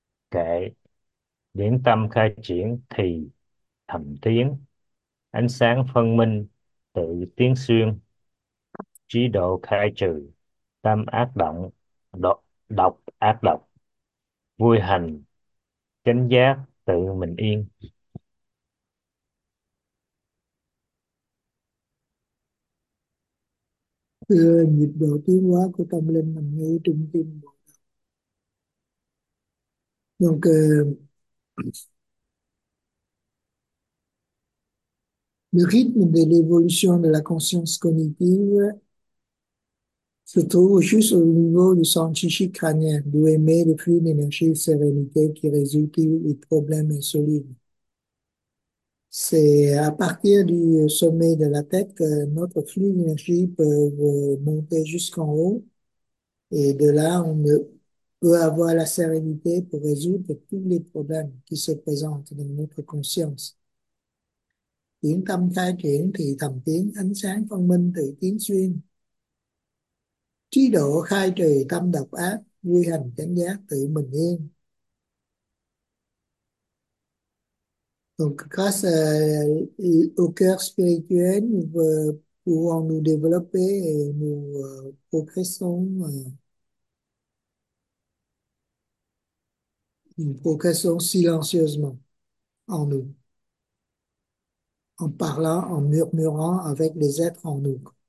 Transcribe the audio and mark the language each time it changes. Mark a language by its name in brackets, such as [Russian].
[Vietnamese] Kệ, điển tâm khai triển thì thầm tiếng, ánh sáng phân minh tự tiến xuyên, trí độ khai trừ tâm ác động, độc ác độc, vui hành chánh giác tự mình yên. thưa, nhịp độ tiến hóa của tâm linh nằm ngay trung tâm. [French] Donc, le rythme de l'évolution de la conscience cognitive se trouve juste au niveau du centre chichi crânien, d'où émet le flux d'énergie sérénité qui résulte des problèmes insolubles. C'est à partir du sommet de la tête que notre flux d'énergie peut monter jusqu'en haut. Et de là, on peut avoir la sérénité pour résoudre tous les problèmes qui se présentent dans notre conscience. [Vietnamese] Tiếng tâm khai triển thì thầm tiếng, ánh sáng phân minh tự tiến xuyên. Trí độ khai trừ tâm độc ác, vui hành chánh giác tự mình yên. [French] Donc, grâce au cœur spirituel, nous pouvons nous développer et nous progressons. Nous progressons silencieusement en nous, en parlant, en murmurant avec les êtres en nous.